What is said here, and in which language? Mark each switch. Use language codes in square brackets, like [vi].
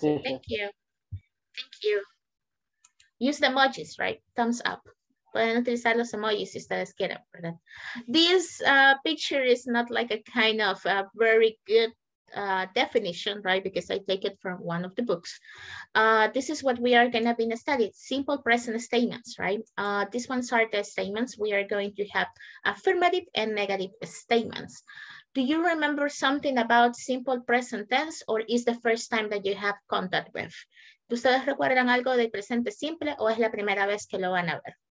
[en] Thank you. Thank you. Use the emojis, right? Thumbs up. [es] Pueden utilizar los emojis si ustedes quieren, ¿verdad? [en] This picture is not like a kind of a very good definition, right? Because I take it from one of the books. This is what we are going to be studying, simple present statements, right? These ones are the statements. We are going to have affirmative and negative statements. Do you remember something about simple present tense, or is the first time that you have contact with? [es] ¿Ustedes recuerdan algo del presente simple o es la primera vez que lo van a ver?